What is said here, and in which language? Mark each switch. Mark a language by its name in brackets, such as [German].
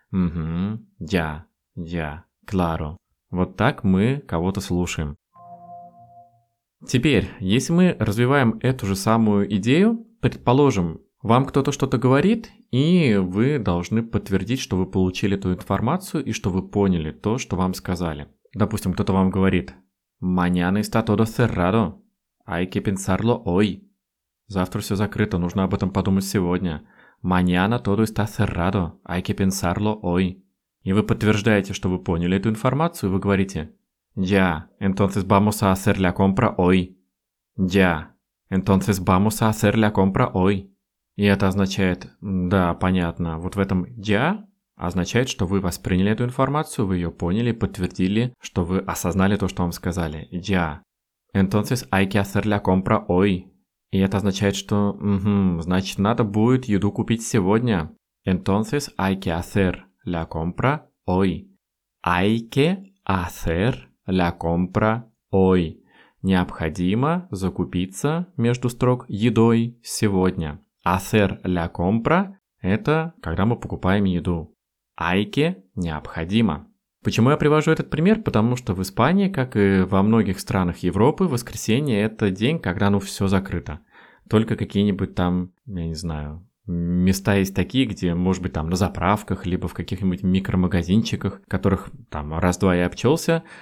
[Russian] Угу, я, кларо. Вот так мы кого-то слушаем. Теперь, если мы развиваем эту же самую идею, предположим, вам кто-то что-то говорит, и вы должны подтвердить, что вы получили эту информацию и что вы поняли то, что вам сказали. Допустим, кто-то вам говорит [Spanish] «Mañana está todo cerrado, hay que pensarlo hoy». [Russian] Завтра все закрыто, нужно об этом подумать сегодня. [Spanish] Mañana todo está cerrado, hay que pensarlo hoy. [Russian] И вы подтверждаете, что вы поняли эту информацию, и вы говорите [Spanish] «Ya, entonces vamos a hacer la compra hoy». «Ya, entonces vamos a hacer la compra hoy». [Russian] И это означает «Да, понятно». Вот в этом «Ya» означает, что вы восприняли эту информацию, вы ее поняли, подтвердили, что вы осознали то, что вам сказали. [Spanish] «Ya, entonces hay que hacer la compra hoy». [Russian] И это означает, что угу, значит, надо будет еду купить сегодня. [Spanish] Entonces hay que hacer la compra hoy. Hay que hacer la compra hoy. [Russian] Необходимо закупиться между строк едой сегодня. [Spanish] Hacer la compra [Russian] – это когда мы покупаем еду. [Spanish] Hay que [Russian] – необходимо. Почему я привожу этот пример? Потому что в Испании, как и во многих странах Европы, воскресенье – это день, когда ну все закрыто. Только какие-нибудь там, я не знаю, места есть такие, где, может быть, там на заправках, либо в каких-нибудь микромагазинчиках, которых там раз-два я обчелся.